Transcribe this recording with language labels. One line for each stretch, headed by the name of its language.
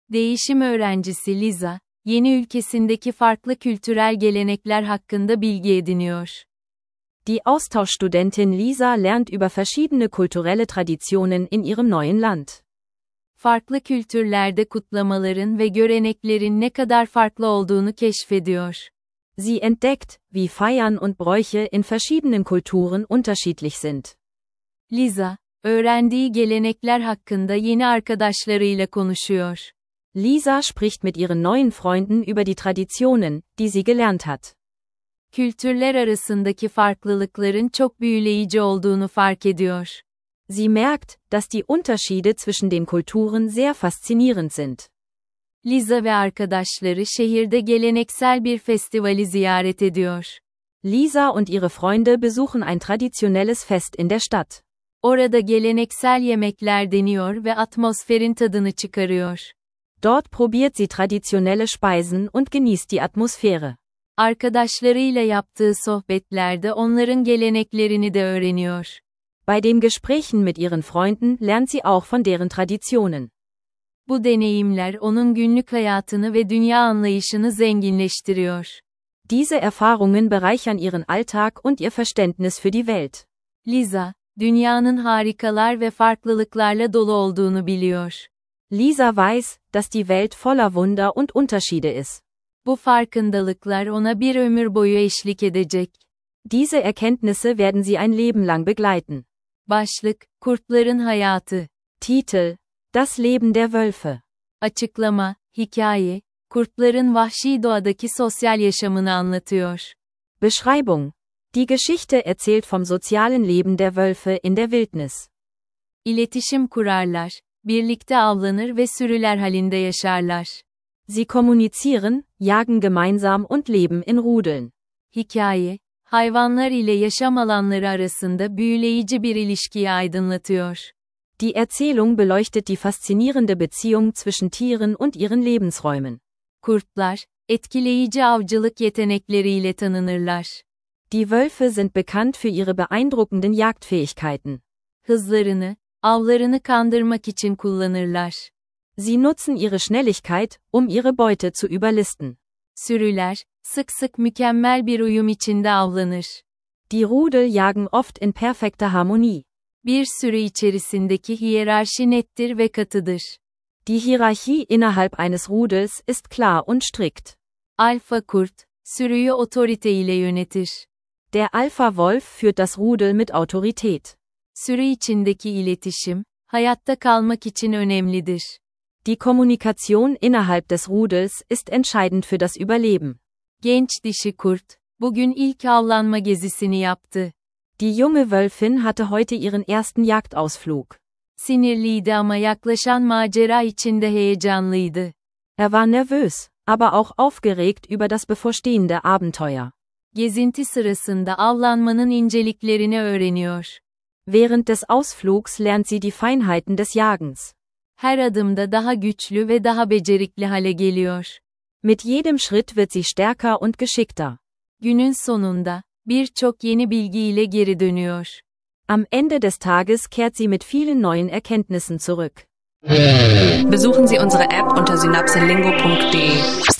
Turkish: Değişim öğrencisi Lisa, yeni ülkesindeki farklı kültürel gelenekler hakkında bilgi ediniyor.
German: Die Austauschstudentin Lisa lernt über verschiedene kulturelle Traditionen in ihrem neuen Land.
Turkish: Farklı kültürlerde kutlamaların ve göreneklerin ne kadar farklı olduğunu keşfediyor.
German: Sie entdeckt, wie Feiern und Bräuche in verschiedenen Kulturen unterschiedlich sind.
Turkish: Lisa, öğrendiği gelenekler hakkında yeni arkadaşlarıyla konuşuyor.
German: Lisa spricht mit ihren neuen Freunden über die Traditionen, die sie gelernt hat.
Turkish: Kültürler arasındaki farklılıkların çok büyüleyici olduğunu fark ediyor.
German: Sie merkt, dass die Unterschiede zwischen den Kulturen sehr faszinierend sind.
Turkish: Lisa ve arkadaşları şehirde geleneksel bir festivali ziyaret ediyor.
German: Lisa und ihre Freunde besuchen ein traditionelles Fest in der Stadt.
Turkish: Orada geleneksel yemekler deniyor ve atmosferin tadını çıkarıyor.
German: Dort probiert sie traditionelle Speisen und genießt die Atmosphäre.
Turkish: Arkadaşlarıyla yaptığı sohbetlerde onların geleneklerini de öğreniyor.
German: Bei den Gesprächen mit ihren Freunden lernt sie auch von deren Traditionen.
Turkish: Bu deneyimler onun günlük hayatını ve dünya anlayışını zenginleştiriyor.
German: Diese Erfahrungen bereichern ihren Alltag und ihr Verständnis für die Welt.
Turkish: Lisa, dünyanın harikalar ve farklılıklarla dolu olduğunu biliyor.
German: Lisa weiß, dass die Welt voller Wunder und Unterschiede ist.
Turkish: Bu farkındalıklar ona bir ömür boyu eşlik edecek.
German: Diese Erkenntnisse werden Sie ein Leben lang begleiten.
Turkish: Başlık, kurtların hayatı.
German: Titel, das Leben der Wölfe.
Turkish: Açıklama, hikaye, kurtların vahşi doğadaki sosyal yaşamını anlatıyor.
German: Beschreibung, die Geschichte erzählt vom sozialen Leben der Wölfe in der Wildnis.
Turkish: İletişim kurarlar, birlikte avlanır ve sürüler halinde yaşarlar.
German: Sie kommunizieren, jagen gemeinsam und leben in Rudeln.
Turkish: Hikaye, hayvanlar ile yaşam alanları arasında büyüleyici bir ilişkiyi aydınlatıyor.
German: Die Erzählung beleuchtet die faszinierende Beziehung zwischen Tieren und ihren Lebensräumen.
Turkish: Kurtlar, etkileyici avcılık yetenekleriyle tanınırlar.
German: Die Wölfe sind bekannt für ihre beeindruckenden Jagdfähigkeiten.
Turkish: Hızlarını, avlarını kandırmak için kullanırlar.
German: Sie nutzen ihre Schnelligkeit, um ihre Beute zu überlisten.
Turkish: Sürüler, sık sık mükemmel bir uyum içinde avlanır.
German: Die Rudel jagen oft in perfekter Harmonie.
Turkish: Bir sürü içerisindeki hiyerarşi nettir ve katıdır.
German: Die Hierarchie innerhalb eines Rudels ist klar und strikt.
Turkish: Alpha Kurt, sürüyü otorite ile yönetir.
German: Der Alpha Wolf führt das Rudel mit Autorität.
Turkish: Sürü içindeki iletişim, hayatta kalmak için önemlidir.
German: Die Kommunikation innerhalb des Rudels ist entscheidend für das Überleben.
Turkish: Genç dişi kurt, bugün ilk avlanma gezisini yaptı.
German: Die junge Wölfin hatte heute ihren ersten Jagdausflug.
Turkish: Sinirliydi ama yaklaşan macera içinde heyecanlıydı.
German: Er war nervös, aber auch aufgeregt über das bevorstehende Abenteuer.
Turkish: Gezinti sırasında avlanmanın inceliklerini öğreniyor.
German: Während des Ausflugs lernt sie die Feinheiten des Jagens.
Turkish: Her adımda daha güçlü ve daha becerikli hale geliyor.
German: Mit jedem Schritt wird sie stärker und geschickter.
Turkish: Günün sonunda, birçok yeni bilgiyle geri dönüyor.
German: Am Ende des Tages kehrt sie mit vielen neuen Erkenntnissen zurück. Besuchen Sie unsere App unter synapsenlingo.de.